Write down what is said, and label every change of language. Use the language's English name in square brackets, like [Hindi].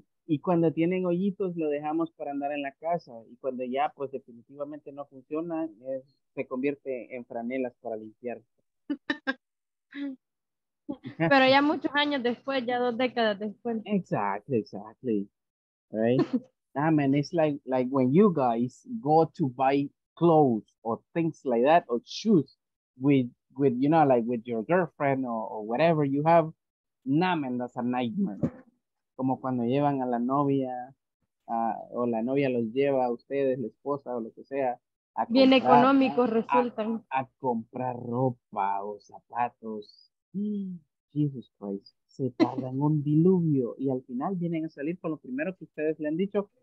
[Spanish] Y cuando tienen hoyitos, lo dejamos para andar en la casa. Y cuando ya, pues, definitivamente no funciona, se convierte en franelas para limpiar. Pero ya muchos años después, ya 2 décadas después. [English] Exactly. Right? Ah, man, it's like when you guys go to buy clothes or things like that, or shoes with you know, like with your girlfriend or whatever you have. Nah, man, that's a nightmare. [Spanish] Como cuando llevan a la novia, o la novia los lleva a ustedes, la esposa o lo que sea. Bien económicos resultan. A comprar ropa o zapatos. [English] Jesus Christ. [Spanish] Se tardan un diluvio y al final vienen a salir con lo primero que ustedes le han dicho.